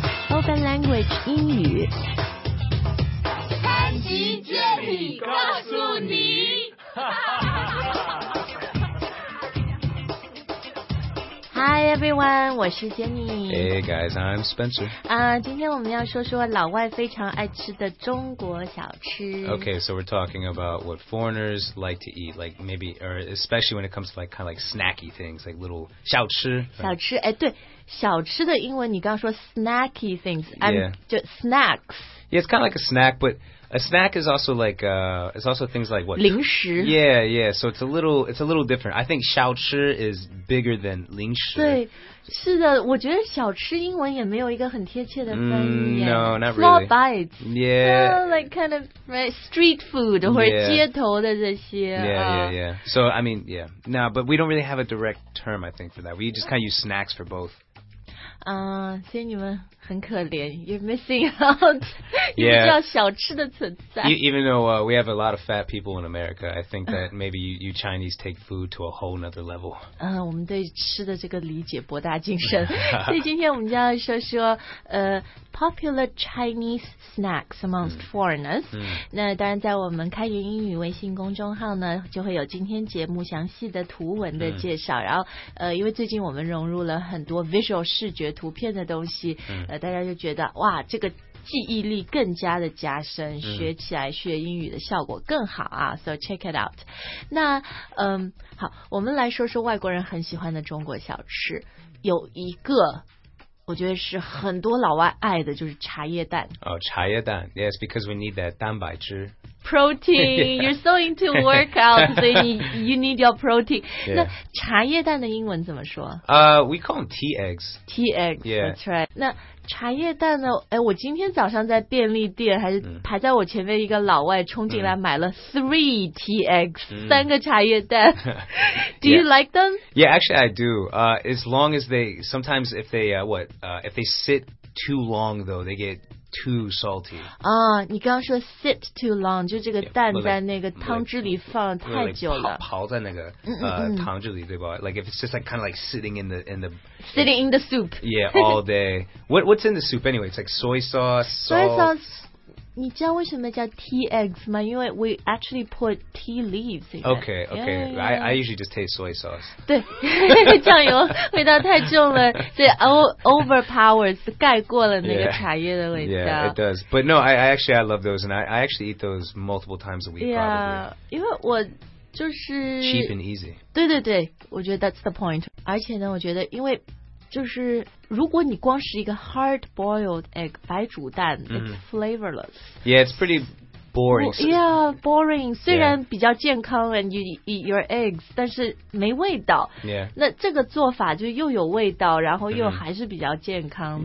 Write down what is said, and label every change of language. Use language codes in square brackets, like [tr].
[zh] Open Language 英语。潘吉杰里告诉你。 [en] Hi everyone, [zh] 我是 Jenny. [en] Hey guys, I'm Spencer. [zh] 今天我们要说说老外非常爱吃的中国小吃。 [en] Okay, so we're talking about what foreigners like to eat, like maybe, or especially when it comes to like kind of like snacky things, like little 小吃。 [zh] 小吃，哎，对，小吃的英文你刚刚说 [en] snacky things, yeah. Just snacks. Yeah, it's kind of like a snack, but... A snack is also like, it's also things like what? [zh] 零食 [en] Yeah, yeah, so it's a little different. I think 小吃 is bigger than 零食 [zh] 对是的我觉得小吃英文也没有一个很贴切的翻译、 [en] No, not really. Small bites. Yeah. So, like kind of right, street food [zh] 或者街头的这些。 [en] Yeah. So, I mean, yeah. No, but we don't really have a direct term, I think, for that. We just kind of use snacks for both. [zh] 所以你们很可怜 [en] You're missing out [zh] 你们叫小吃的存在 [en] Even though、we have a lot of fat people in America I think that maybe you Chinese take food to a whole other level [zh] 我们对吃的这个理解博大精深所以今天我们就要说说、 [en] popular Chinese snacks amongst foreigners、 [zh] 那当然在我们开言英语微信公众号呢就会有今天节目详细的图文的介绍、然后、因为最近我们融入了很多 visual 视觉图片的东西、大家就觉得哇这个记忆力更加的加深、学起来学英语的效果更好啊 [en] so check it out [zh] 那好我们来说说外国人很喜欢的中国小吃有一个我觉得是很多老外爱的就是茶叶蛋 [en] 哦、oh, 茶叶蛋 yes because we need that 蛋白质 Protein, you're so into workout, so you need your protein.、 Yeah. [zh] 那茶叶蛋的英文怎么说？ [en] We call them tea eggs. Tea eggs, yeah. That's right. [zh] 那茶叶蛋呢？哎，我今天早上在便利店还是排在我前面一个老外冲进来买了 3 [en] tea eggs,、 [zh] 三个茶叶蛋。 [en] Do you like them? Yeah, actually I do. As long as they, sometimes if they, if they sit too long though, they get... Too salty. [zh] Ah, 你刚刚说 [en] sit too long, [zh] 就这个蛋在那个汤汁里放太久了。泡在那个汤汁里对吧 [en] Like if it's just like kind of like sitting in the sitting in the soup. Yeah, all day. What's in the soup anyway? It's like soy sauce. Soy sauce. [zh] 你知道为什么叫 [en] tea eggs [zh] 吗？因为 [en] we actually put tea leaves in it. Okay, okay. Yeah, yeah, yeah. I usually just taste soy sauce. [zh] 对，酱油味道太重了，所以 [en] overpowers [zh] 盖过了那个茶叶的味道。 [en] Yeah, it does. But no, I love those, and I actually eat those multiple times a week. [zh] Yeah, 因为我就是 [en] cheap and easy. [zh] 对对对，我觉得 [en] that's the point. [zh] 而且呢，我觉得因为就是如果你光是一个 [en] hard boiled egg [zh] 白煮蛋、 [en] it's flavorless. Yeah, it's pretty boring. Yeah, boring. [zh] 虽然比较健康 [en] and you eat your eggs, [zh] 但是没味道。 [en] Yeah. [zh] 那这个做法就又有味道，然后又还是比较健康。